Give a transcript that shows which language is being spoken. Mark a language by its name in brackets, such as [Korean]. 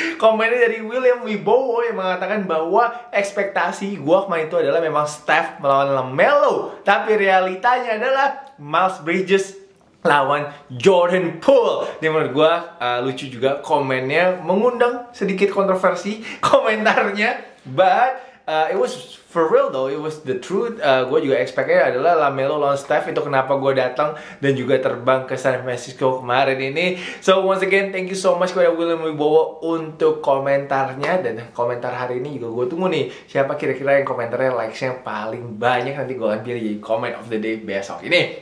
[Indonesian] Komennya dari William Wibowo yang mengatakan bahwa ekspektasi gue kemarin itu adalah memang Steph melawan LaMelo, tapi realitanya adalah Miles Bridges lawan Jordan Poole. Ini menurut gue lucu juga komennya, mengundang sedikit kontroversi komentarnya. [English] But it was for real though, it was the truth. [Indonesian] Gue juga expect-nya adalah LaMelo lawan Steph, itu kenapa gue datang dan juga terbang ke San Francisco kemarin ini. [English] So once again, thank you so much [Indonesian] kepada William Wibowo untuk komentarnya. Dan komentar hari ini juga gue tunggu nih, siapa kira-kira yang komentarnya likes-nya paling banyak, nanti gue ambil jadi [English] comment of the day [Indonesian] besok ini.